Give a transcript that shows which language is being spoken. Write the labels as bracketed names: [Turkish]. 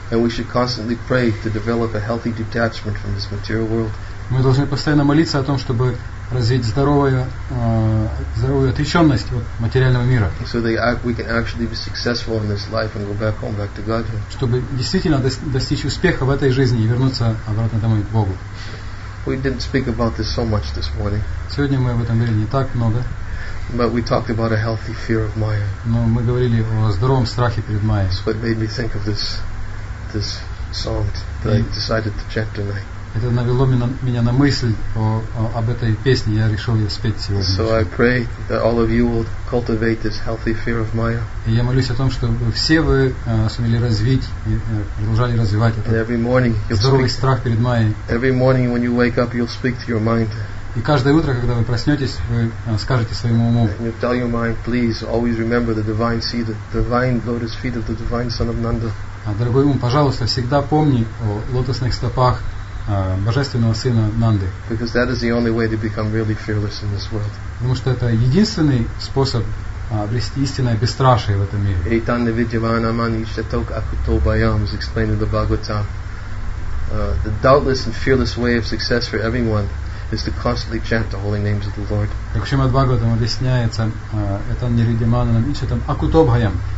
[English] And we should constantly pray to develop a healthy detachment from this material world. [Russian] Мы должны постоянно молиться о том, чтобы развить здоровую отреченность от материального мира. [English] So that we can actually be successful in this life and go back home, back to Godhead. [Russian] Чтобы действительно достичь успеха в этой жизни и вернуться обратно домой к Богу. [English] We didn't speak about this so much this morning. [Russian] Сегодня мы об этом говорили не так много. [English] But we talked about a healthy fear of Maya. [Russian] Но мы говорили о здоровом страхе перед Майей. [English] So it made me think of this song that I decided to chant tonight. [Russian] Это навело меня на мысль об этой песне. Я решил ее спеть сегодня. [English] So I pray that all of you will cultivate this healthy fear of Maya. [Russian] И я молюсь о том, чтобы все вы сумели развить и продолжали развивать этот здоровый страх перед Майей. [English] Every morning when you wake up, you'll speak to your mind. [Russian] И каждое утро, когда вы проснетесь, вы скажете своему уму. [English] And you tell your mind, please always remember the divine seat, the divine lotus feet of the divine son of Nanda. [Russian] Дорогой ум, пожалуйста, всегда помни о лотосных стопах божественного сына Нанды. [English] Because that is the only way to become really fearless in this world. [Russian] Потому что это единственный способ обрести истинное бесстрашие в этом мире. [Sanskrit] Эйтан видиванаман иштаток акуто байам, [English] as explained in the Bhagavatam. The doubtless and fearless way of success for everyone is to constantly chant the holy names of the Lord. [Russian] Так Шримад Бхагаватам объясняется, это не [Sanskrit] ридиманам ичатам акутобхаям.